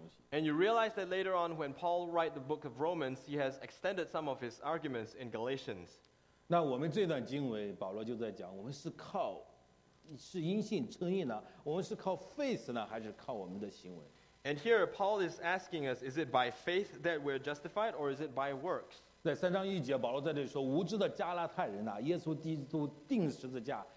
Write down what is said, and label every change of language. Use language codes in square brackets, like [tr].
[en] And you realize that later on when Paul writes the book of Romans, he has extended some of his arguments in Galatians. [zh] 那我们这段经文保罗就在讲我们是靠是因信称义呢我们是靠 faith 呢还是靠我们的行为 [en] And here Paul is asking us, is it by faith that we're justified or is it by works? [zh] 在三章一节保罗在这里说无知的加拉太人啊耶稣基督钉十字架